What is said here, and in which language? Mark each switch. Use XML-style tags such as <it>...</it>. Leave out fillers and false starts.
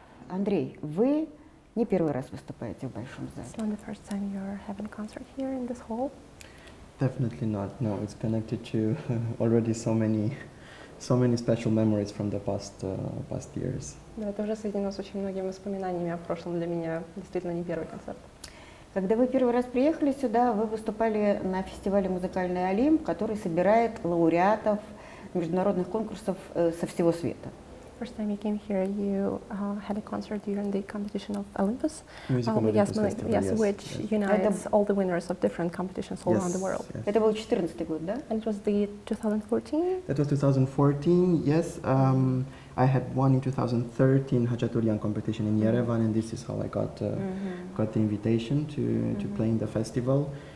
<ru>Андрей, вы не первый раз выступаете в Большом зале.</ru> <en>It's not the first time you're having a concert here in this hall? Definitely not, no. It's connected to already so many special memories from the past years.</en> <ru>Да, это уже соединено с очень многими воспоминаниями о прошлом. Для меня действительно не первый концерт. Когда вы первый раз приехали сюда, вы выступали на фестивале «Музыкальный Олимп», который собирает лауреатов международных конкурсов со всего света.</ru> <en>First time you came here, you had a concert during the competition of Olympus. Yes, unites all the winners of different competitions all around the world.</en> <ru>Это был 2014 год, да?</ru> <en>And it was the 2014? That was 2014, yes. I had won in 2013 Khachaturian competition in Yerevan, and this is how I got the invitation to play in the festival.</en>